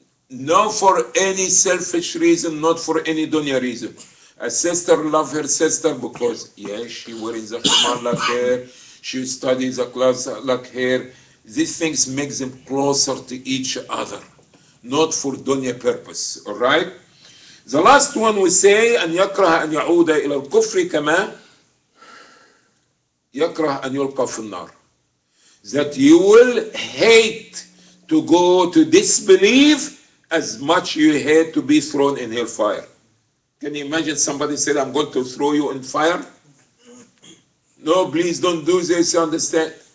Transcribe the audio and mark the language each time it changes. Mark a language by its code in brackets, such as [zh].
[en] No, for any selfish reason, not for any dunya reason. A sister love her sister because, yes, she wearing the hamar like her, she studies a class like her. These things make them closer to each other, not for dunya purpose, all right? The last one we say, [ar] أن يكره أن يعود إلى الكفر كما يكره أن يلقى في النار. [en] That you will hate to go to disbelief as much you hate to be thrown in hellfire. Can you imagine somebody said, I'm going to throw you in fire? No, please don't do this, you understand?